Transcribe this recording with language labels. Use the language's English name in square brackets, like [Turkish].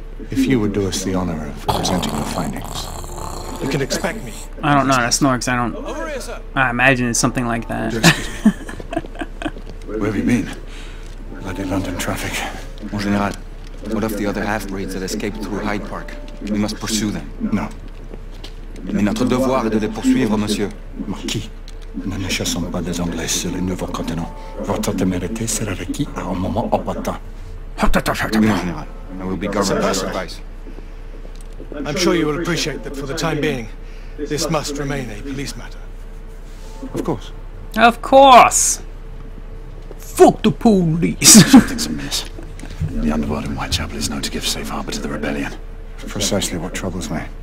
[English] If you would do us the honor of presenting your findings. You can expect me. I don't know how to snore because I don't... I imagine it's something like that. Excuse me. Where have you been? Bloody London traffic. [French] Mon général. [English] What of the other half-breeds that escaped through Hyde Park? We must pursue them. No. [French] Mais notre devoir est de les poursuivre, monsieur. Marquis, nous ne chassons pas des Anglais sur le nouveau continent. Votre témérité sera requis à un moment opportun. Oui, mon général. [English] I will be governed by your advice. I'm sure you will appreciate that for the time being, this must remain a police matter. Of course. Of course! Fuck the police! Something's amiss. The underworld in Whitechapel is known to give safe harbor to the rebellion. Precisely what troubles me.